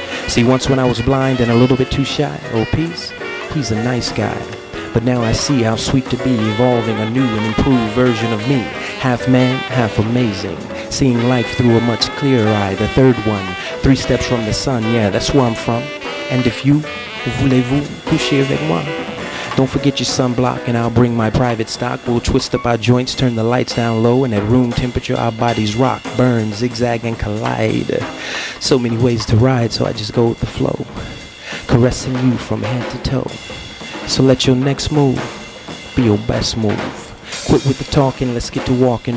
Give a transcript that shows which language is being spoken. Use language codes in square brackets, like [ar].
[en] See, once when I was blind and a little bit too shy, oh peace, he's a nice guy. But now I see how sweet to be, evolving a new and improved version of me. Half man, half amazing. Seeing life through a much clearer eye, the third one. 3 steps from the sun, yeah, that's where I'm from. And if you, [fr] voulez-vous coucher avec moi? [en] Don't forget your sunblock and I'll bring my private stock. We'll twist up our joints, turn the lights down low, and at room temperature our bodies rock, burn, zigzag, and collide. So many ways to ride, so I just go with the flow. Caressing you from head to toe. So let your next move be your best move. Quit with the talking, let's get to walking.